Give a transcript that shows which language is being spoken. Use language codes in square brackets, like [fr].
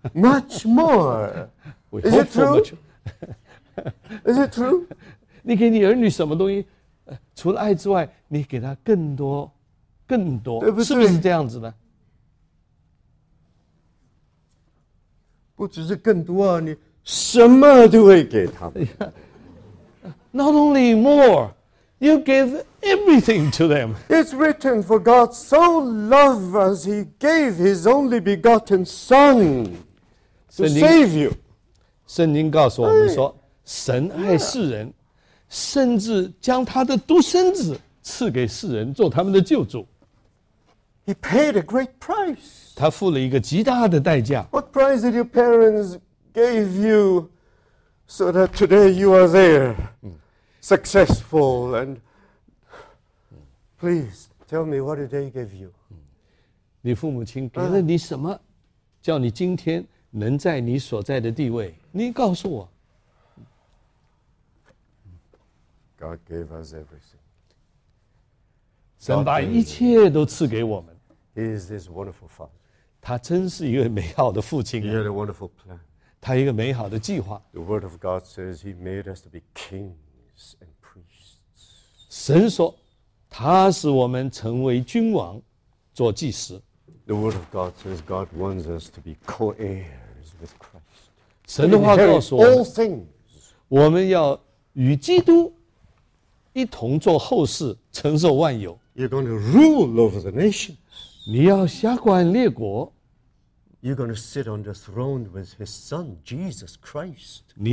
[en] Much more. Is it true? Is it true? [zh] 你给你儿女什么东西？除了爱之外，你给他更多。更多对不对是不是这样子的？不只是更多啊，你什么都会给他们。 [en] Not only more, you give everything to them. It's written, for God so loved us, He gave His only begotten Son to save you. [zh] 圣经告诉我们说，神爱世人，甚至将他的独生子赐给世人做他们的救主。 [en] He paid a great price. [zh] 他付了一个极大的代价。 [en] What price did your parents give you so that today you are there, successful? And please tell me what did they give you? [zh] 你父母亲给了你什么，叫你今天能在你所在的地位？你告诉我。 [en] God gave us everything. [zh] 神把一切都赐给我们。 [en] He is this wonderful father. [zh] 他真是一个美好的父亲。 [en] He had a wonderful plan. [zh] 他一个美好的计划。 [en] The word of God says he made us to be kings and priests. [zh] 神说，他使我们成为君王，做祭司。 [en] The word of God says God wants us to be co-heirs with Christ. [zh] 神的话告诉我们, [en] all things. [zh] 我们要与基督一同做后事, 承受万有。 [en] You're going to rule over the nations. [zh] 你要辖管列国。 [en] You're going to sit on the throne with his son, Jesus Christ.